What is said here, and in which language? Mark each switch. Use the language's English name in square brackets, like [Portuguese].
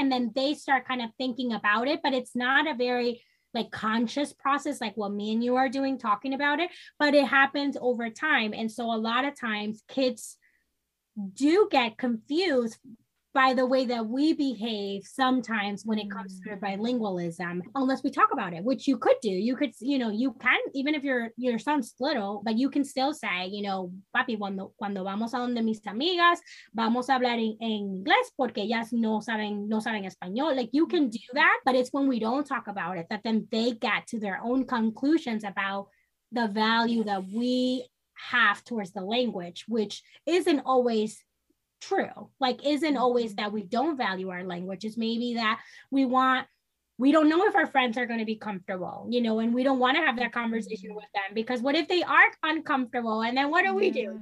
[English] And then they start kind of thinking about it, but it's not a very like conscious process, like what me and you are doing, talking about it, but it happens over time. And so a lot of times kids do get confused by the way that we behave sometimes when it comes to bilingualism, unless we talk about it, which you could do. You could, you know, you can, even if your son's little, but you can still say, you know, [Spanish] papi, cuando vamos a donde mis amigas, vamos a hablar en inglés porque ellas no saben español. [English] Like, you can do that, but it's when we don't talk about it that then they get to their own conclusions about the value that we have towards the language, which isn't always true. Like, isn't always that we don't value our languages. Maybe that we don't know if our friends are going to be comfortable, you know, and we don't want to have that conversation with them, because what if they are uncomfortable? And then what do we do?